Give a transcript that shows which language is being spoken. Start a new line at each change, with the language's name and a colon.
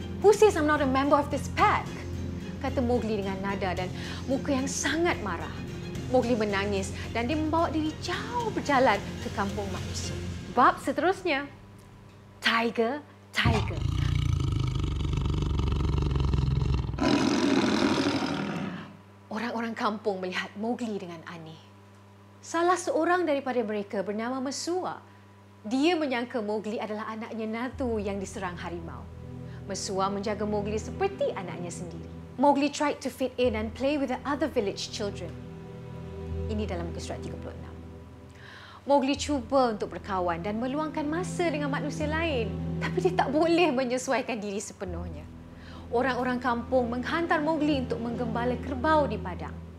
English: Who says I'm not a member of this pack?"
Malay: kata Mowgli dengan nada dan muka yang sangat marah. Mowgli menangis dan dia membawa diri jauh berjalan ke kampung manusia. Bab seterusnya, Tiger, Tiger. Orang-orang kampung melihat Mowgli dengan aneh. Salah seorang daripada mereka bernama Mesua. Dia menyangka Mowgli adalah anaknya Natu yang diserang harimau. Mesua menjaga Mowgli seperti anaknya sendiri.
English: Mowgli tried to fit in and play with the other village children.
Malay: Ini dalam surat 36. Mowgli cuba untuk berkawan dan meluangkan masa dengan manusia lain. Tapi dia tak boleh menyesuaikan diri sepenuhnya. Orang-orang kampung menghantar Mowgli untuk menggembala kerbau di padang.